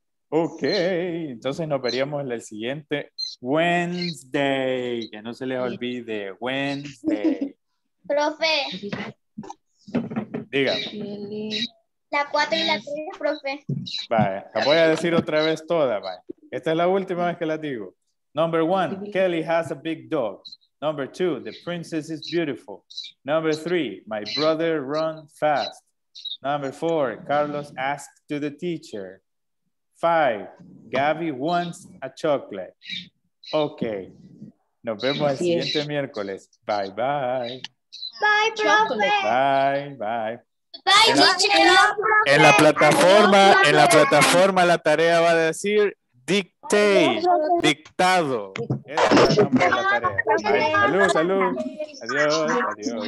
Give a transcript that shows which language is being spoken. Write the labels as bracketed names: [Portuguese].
[Spanish] Ok, entonces nos veríamos en el siguiente Wednesday. Que no se les olvide, Wednesday. Profe. Diga. La 4 y la 3, profe. Vale, la voy a decir otra vez toda. Vale. Esta es la última vez que la digo. [English] Number one, Kelly has a big dog. Number two, the princess is beautiful. Number three, my brother runs fast. Number four, Carlos asks to the teacher. Five, Gaby wants a chocolate. Okay. [Spanish] Nos vemos el siguiente miércoles. [English] Bye, bye. Bye, profe. Bye, bye. Bye, teacher. [Spanish] En la plataforma, adiós, en la plataforma la tarea va a decir dictate, adiós, dictado. Esa es la tarea. Adiós. Salud. Adiós. Adiós.